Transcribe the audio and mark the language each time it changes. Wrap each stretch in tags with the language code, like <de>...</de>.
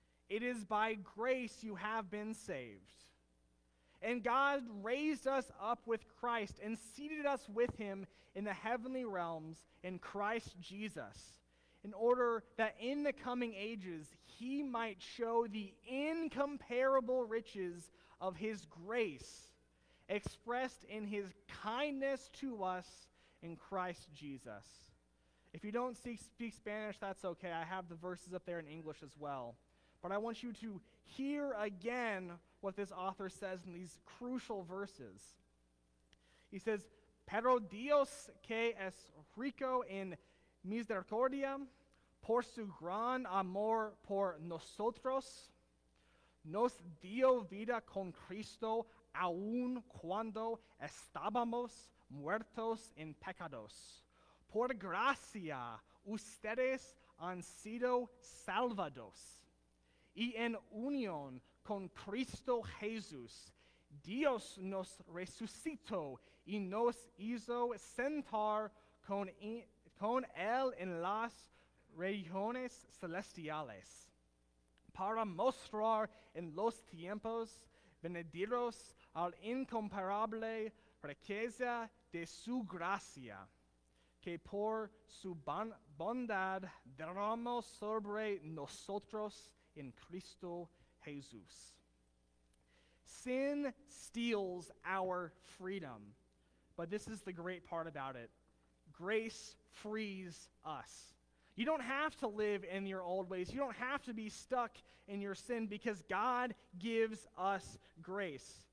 <en>It is by grace you have been saved. And God raised us up with Christ and seated us with him in the heavenly realms in Christ Jesus, in order that in the coming ages he might show the incomparable riches of his grace expressed in his kindness to us in Christ Jesus." If you don't speak Spanish, that's okay. I have the verses up there in English as well. But I want you to hear again what this author says in these crucial verses. He says,</en> <es>"Pero Dios, que es rico en misericordia, por su gran amor por nosotros, nos dio vida con Cristo aun cuando estábamos muertos en pecados. Por gracia, ustedes han sido salvados. Y en unión con Cristo Jesús, Dios nos resucitó y nos hizo sentar con Él en las regiones celestiales para mostrar en los tiempos venideros a la incomparable riqueza de su gracia que por su bondad derramó sobre nosotros in Cristo Jesus."</es> <en>Sin steals our freedom. But this is the great part about it. Grace frees us. You don't have to live in your old ways. You don't have to be stuck in your sin, because God gives us grace.</en>